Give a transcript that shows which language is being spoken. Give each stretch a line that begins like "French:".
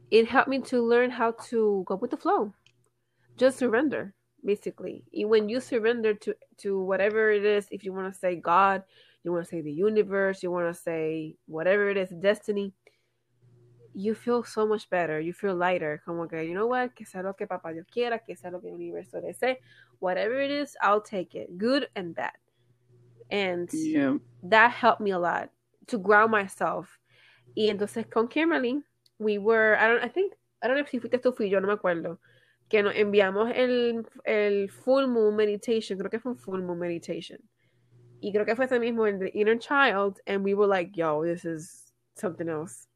English: It helped me to learn how to go with the flow. Just surrender, basically. When you surrender to whatever it is, if you want to say God, you want to say the universe, you want to say whatever it is, destiny, you feel so much better. You feel lighter.
Spanish: Como que,
English: you know what?
Spanish: Que sea lo que papá Dios quiera, que sea lo que el universo desee.
English: Whatever it is, I'll take it. Good and bad. And yeah, that helped me a lot to ground myself.
Spanish: Y entonces con Kimberly,
English: we were, I don't know if
Spanish: fuiste tú o fui yo, no me acuerdo, que nos enviamos el
English: full moon meditation.
Spanish: Creo que fue un
English: full moon meditation.
Spanish: Y creo que fue ese mismo, el
English: the inner child, and we were like, yo, this is something else.